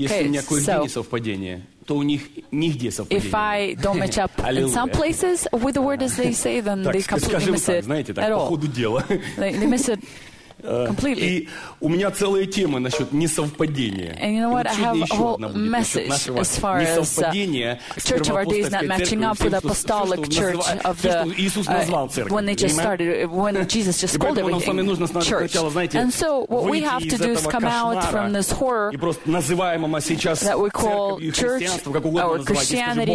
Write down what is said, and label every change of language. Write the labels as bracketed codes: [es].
[ru] если у меня кое-где не совпадение, то у них нигде совпадение. [en] If I don't match up in some places with the word as they say, then they completely miss it. [ru] Знаете, так, по ходу дела. [en] They miss it completely. [ru] И у меня целая тема насчет несовпадения. [en] And you know what? I have a whole message as far as Church of Our Days not matching up with the Apostolic Church of the when they just started, when Jesus just called everything church. And so what we have to do is come out from this horror that we call church or Christianity.